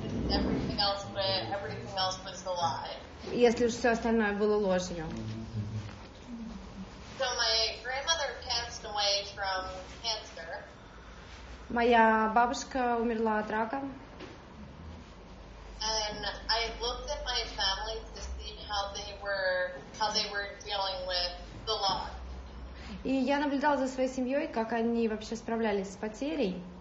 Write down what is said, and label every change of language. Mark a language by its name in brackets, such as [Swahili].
[English] Everything else was a lie. [Russian] Если уж все остальное было ложью. [English] So my grandmother passed away from cancer. [Russian] Моя бабушка умерла от рака. [English] And I looked at my family to see how they were dealing with the loss. [Russian] И я наблюдала за своей семьей, как они вообще справлялись с потерей.